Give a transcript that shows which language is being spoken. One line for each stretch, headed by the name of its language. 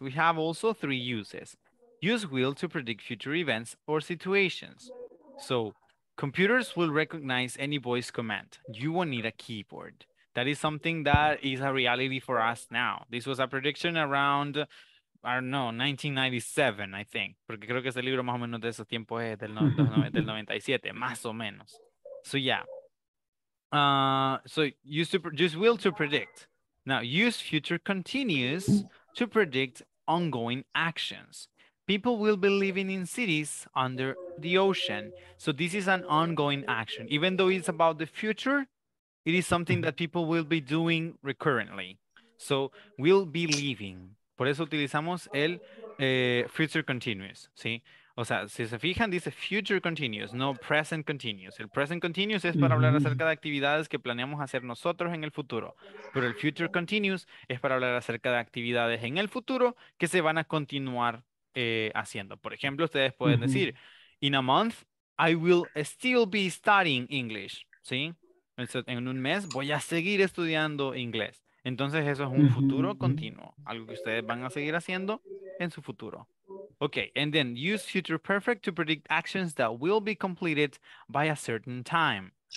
English: We have also three uses. Use will to predict future events or situations. So computers will recognize any voice command. You won't need a keyboard. That is something that is a reality for us now. This was a prediction around, I don't know, 1997, I think.
Spanish: Porque creo que ese libro más o menos de esos tiempos es del 97, más o menos.
English: So yeah. So use will to predict. Now use future continuous to predict ongoing actions. People will be living in cities under the ocean. So this is an ongoing action. Even though it's about the future, it is something that people will be doing recurrently. So will be living.
Spanish: Por eso utilizamos el future continuous. ¿Sí? O sea, si se fijan, dice future continuous, no present continuous. El present continuous es para hablar acerca de actividades que planeamos hacer nosotros en el futuro. Pero el future continuous es para hablar acerca de actividades en el futuro que se van a continuar haciendo. Por ejemplo, ustedes pueden decir,
English: in a month, I will still be studying English. ¿Sí?
Spanish: En un mes voy a seguir estudiando inglés. Entonces eso es un futuro continuo. Algo que ustedes van a seguir haciendo en su futuro.
English: Okay, and then use future perfect to predict actions that will be completed by a certain time.